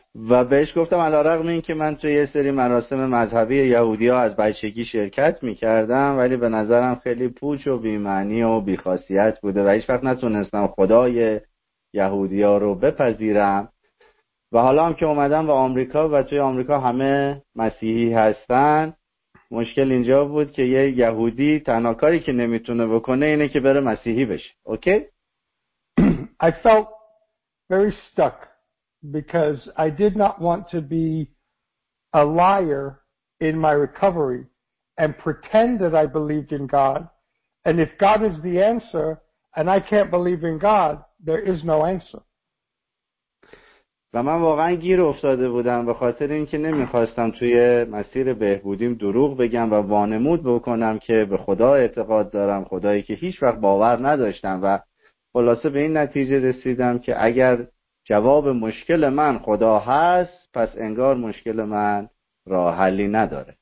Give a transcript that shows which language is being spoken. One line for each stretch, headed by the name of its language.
Persian: و بهش گفتم علی‌رغم این که من توی یه سری مراسم مذهبی یهودی‌ها از بچگی شرکت می‌کردم ولی به نظرم خیلی پوچ و بی‌معنی و بی‌خاصیت بوده و هیچ وقت نتونستم خدای یهودی‌ها رو بپذیرم. و حالا هم که اومدم به آمریکا و توی آمریکا همه مسیحی هستن، مشکل اینجا بود که یه یهودی تنها کاری که نمیتونه بکنه اینه که بره مسیحی بشه. اوکی؟
English: I felt very stuck because I did not want to be a liar in my recovery and pretend that I believed in God. And if God is the answer and I can't believe in God, there is no answer.
Persian: و من واقعا گیر افتاده بودم به خاطر اینکه نمیخواستم توی مسیر بهبودیم دروغ بگم و وانمود بکنم که به خدا اعتقاد دارم، خدایی که هیچ وقت باور نداشتم. و خلاصه به این نتیجه رسیدم که اگر جواب مشکل من خدا هست، پس انگار مشکل من راه حلی نداره.